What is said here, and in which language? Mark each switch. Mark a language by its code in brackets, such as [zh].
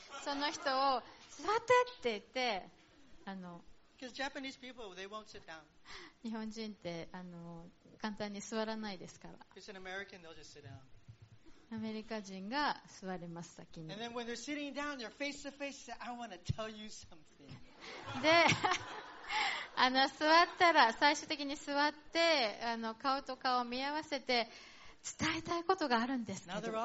[ja] その人を座ってって言って、 [en] Because Japanese people, they won't sit down. [ja] 日本人って簡単に座らないですから。 [en] If it's an American, they'll just sit down. [ja] アメリカ人が座ります先に。 [en] And then when they're sitting down, they're face to face. I want to tell you something. [ja] で。座ったら最終的に座って顔と顔を見合わせて伝えたいことがあるんですけど。